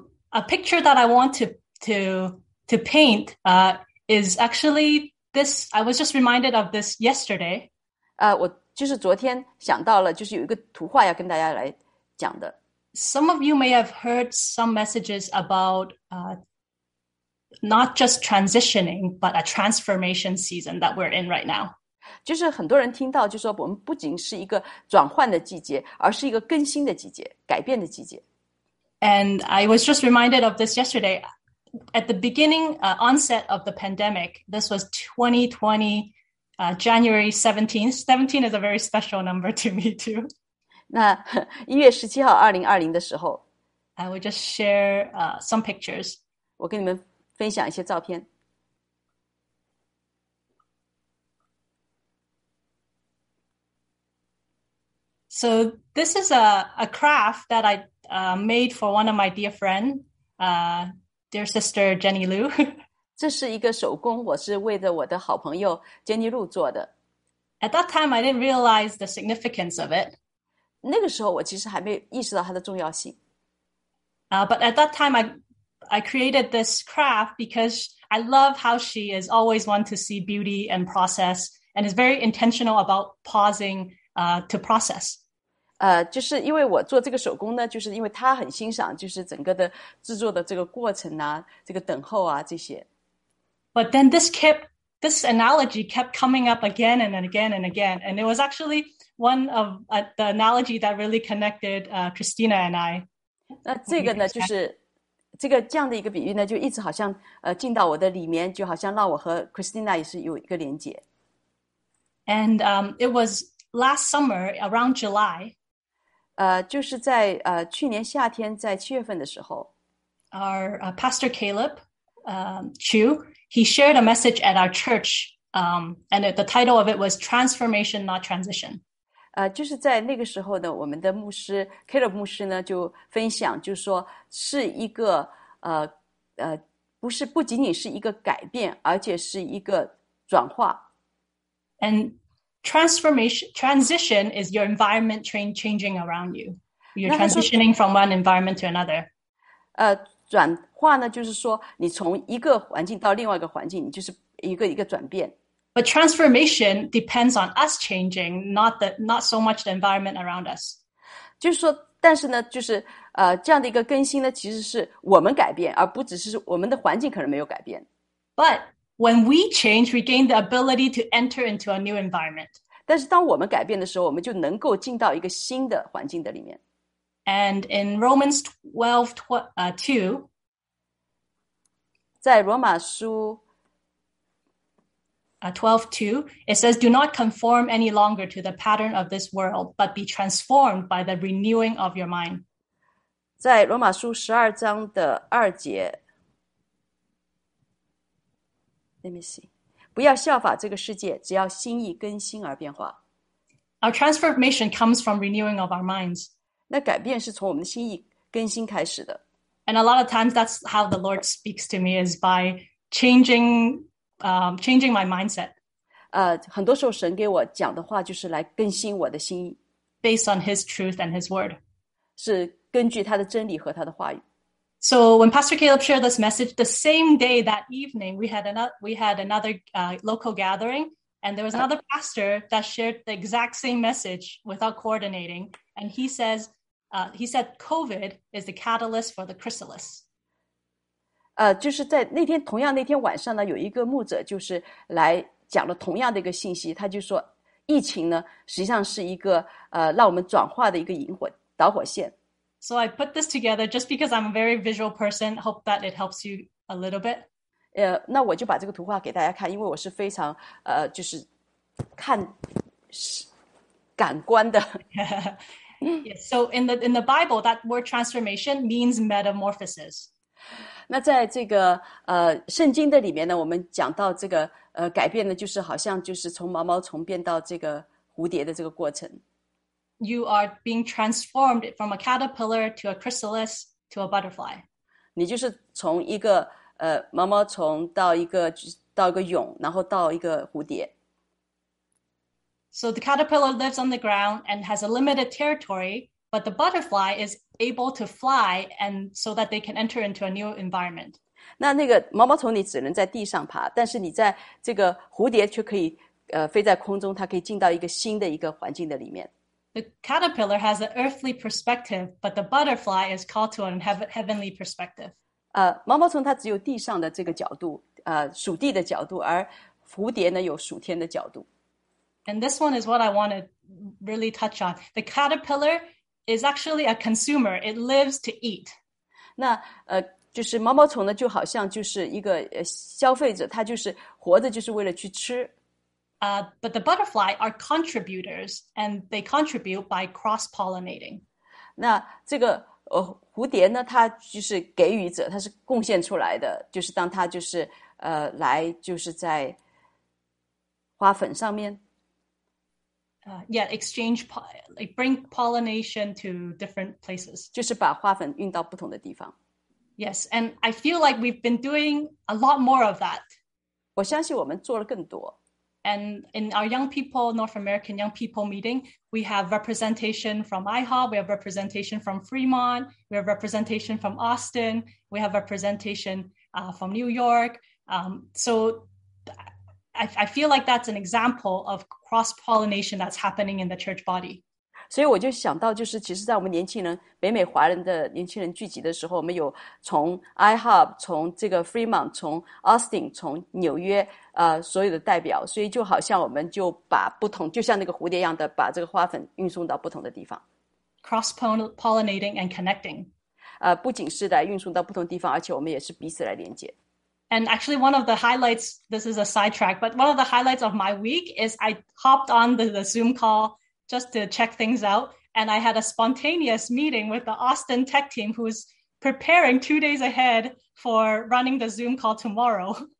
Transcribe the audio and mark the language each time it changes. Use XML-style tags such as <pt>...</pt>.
<en>a picture that I want to paint is actually this. I was just reminded of this yesterday.</en> <zh>我就是昨天想到了，就是有一个图画要跟大家来讲的。</zh> <en>Some of you may have heard some messages about not just transitioning, but a transformation season that we're in right now.</en> <zh>就是很多人听到，就说我们不仅是一个转换的季节，而是一个更新的季节，改变的季节。</zh> <en>And I was just reminded of this yesterday. At the beginning, onset of the pandemic, this was 2020, January 17th. 17 is a very special number to me, too.</en> <zh>那1月17号, 2020的时候,</zh> <en>I will just share some pictures.</en> <zh>我跟你们分享一些照片。</zh> <en>So this is a craft that I made for one of my dear friend, dear sister Jenny Lu.</en> <zh>这是一个手工，我是为着我的好朋友 Jenny Lu 做的。</zh> <en>At that time, I didn't realize the significance of it.</en> <zh>那个时候我其实还没意识到它的重要性。</zh> <en>But at that time, I created this craft because I love how she is always one to see beauty and process and is very intentional about pausing to process.</en> <zh>就是因为我做这个手工呢，就是因为她很欣赏就是整个的制作的这个过程啊，这个等候啊，这些。</zh> <en>But then this analogy kept coming up again and again and again. And it was actually one of the analogy that really connected Christina and I.</en> <zh>那这个呢就是这个这样的一个比喻呢就一直好像进到我的里面就好像让我和 Christina 也是有一个连接。</zh> <en>And it was last summer around July.</en> <zh>就是在去年夏天在七月份的时候。</zh> <en>Our Pastor Caleb Chu, he shared a message at our church, and the title of it was Transformation, Not Transition.</en> <zh>就是在那个时候呢，我们的牧师 Caleb 牧师呢就分享，就说是一个不是不仅仅是一个改变，而且是一个转化。</zh> <en>And transition is your environment changing around you. You're transitioning from one environment to another.</en> <zh>转化呢，就是说你从一个环境到另外一个环境，你就是一个一个转变。</zh> <en>But transformation depends on us changing, not so much the environment around us.</en> <zh>就是说，但是呢，就是这样的一个更新呢，其实是我们改变，而不只是我们的环境可能没有改变。</zh> <en>But when we change, we gain the ability to enter into a new environment.</en> <zh>但是当我们改变的时候，我们就能够进到一个新的环境的里面。</zh> <en>And in Romans 12:2,</en> <zh>在罗马书。</zh> <en>12:2, it says, Do not conform any longer to the pattern of this world, but be transformed by the renewing of your mind.</en> <zh>在罗马书十二章的二节</zh> <en>Let me see.</en> <zh>不要效法这个世界，只要心意更新而变化。</zh> <en>Our transformation comes from renewing of our minds.</en> <zh>那改变是从我们的心意更新开始的。</zh> <en>And a lot of times that's how the Lord speaks to me, is by changing my mindset.</en> <zh>很多时候神给我讲的话就是来更新我的心意。</zh> <en>Based on his truth and his word.</en> <zh>是根据他的真理和他的话语。</zh> <en>So when Pastor Caleb shared this message, the same day that evening, we had another local gathering, and there was another pastor that shared the exact same message without coordinating. And he said COVID is the catalyst for the chrysalis.</en> <zh>就是在那天同样那天晚上呢，有一个牧者就是来讲了同样的一个信息，他就说疫情呢实际上是一个让我们转化的一个引火导火线。</zh> <en>So I put this together just because I'm a very visual person. Hope that it helps you a little bit.</en> <zh>那我就把这个图画给大家看，因为我是非常就是看感官的。</zh> <en>Yes. So in the Bible, that word transformation means metamorphosis.</en> <zh>那在这个圣经的里面呢，我们讲到这个改变呢，就是好像就是从毛毛虫变到这个蝴蝶的这个过程。</zh> <en>You are being transformed from a caterpillar to a chrysalis to a butterfly.</en> <zh>你就是从一个毛毛虫到一个蛹，然后到一个蝴蝶。</zh> <en>So the caterpillar lives on the ground and has a limited territory, but the butterfly is able to fly, and so that they can enter into a new environment.</en> <zh>那个毛毛虫你只能在地上爬，但是你在这个蝴蝶却可以飞在空中，它可以进到一个新的一个环境的里面。</zh> <en>The caterpillar has an earthly perspective, but the butterfly is called to an heavenly perspective.</en> <zh>毛毛虫它只有地上的这个角度，属地的角度，而蝴蝶呢有属天的角度。</zh> <en>And this one is what I want to really touch on. The caterpillar is actually a consumer. It lives to eat.</en> <zh>那就是毛毛虫呢，就好像就是一个消费者，它就是活着就是为了去吃。</zh> <en>But the butterfly are contributors, and they contribute by cross-pollinating.</en> <zh>那这个蝴蝶呢，它就是给予者，它是贡献出来的，就是当它就是来就是在花粉上面。</zh> <en>Yeah, exchange, like bring pollination to different places.</en> <zh>就是把花粉运到不同的地方。</zh> <en>Yes, and I feel like we've been doing a lot more of that.</en> <zh>我相信我们做了更多。</zh> <en>And in our young people, North American young people meeting, we have representation from IHOP, we have representation from Fremont, we have representation from Austin, we have representation from New York. So I feel like that's an example of cross-pollination that's happening in the church body.</en> <zh>所以我就想到就是其实在我们年轻人北美华人的年轻人聚集的时候我们有从 IHOP 从这个 Fremont 从 Austin 从纽约所有的代表所以就好像我们就把不同就像那个蝴蝶一样的把这个花粉运送到不同的地方</zh> <en>cross-pollinating and connecting</en> <zh>不仅是来运送到不同地方而且我们也是彼此来连接。</zh> <en>And actually one of the highlights, this is a sidetrack, but one of the highlights of my week is I hopped on the Zoom call just to check things out. And I had a spontaneous meeting with the Austin tech team who is preparing 2 days ahead for running the Zoom call tomorrow.</en>